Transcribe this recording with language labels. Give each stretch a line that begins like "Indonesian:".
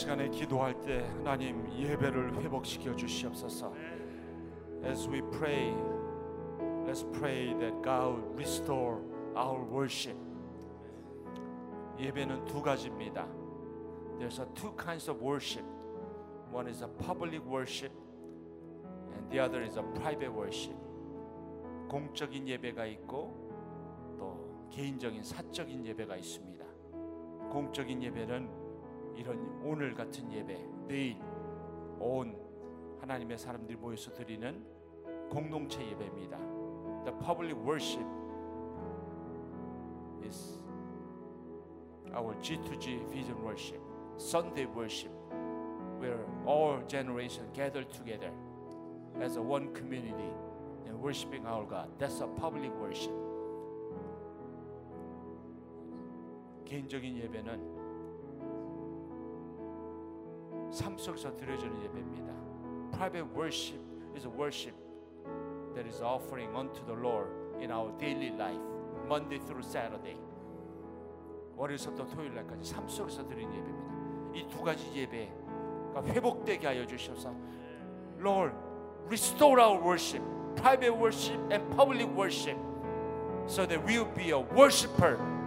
Korean: 기도할 때 하나님 예배를 회복시켜 주시옵소서.
English: As we pray, let's pray that God restore our worship.
Korean: 예배는 두 가지입니다.
English: There's a two kinds of worship. One is a public worship and the other is a private worship.
Korean: 공적인 예배가 있고 또 개인적인 사적인 예배가 있습니다. 공적인 예배는 이런 오늘 같은 예배, 내일 온 하나님의 사람들이 모여서 드리는 공동체 예배입니다.
English: The public worship is our G2G vision worship, Sunday worship, where all generations gather together as a one community and worshiping our God. That's a public worship.
Korean: 개인적인 예배는 삶 속에서 드려지는 예배입니다.
English: Private worship is a worship that is offering unto the Lord in our daily life, Monday through Saturday.
Korean: 월요일부터 토요일날까지 삶 속에서 드리는 예배입니다. 이 두 가지 예배가 회복되게 하여 주셔서
English: Lord, restore our worship, private worship and public worship so that we will be a worshiper.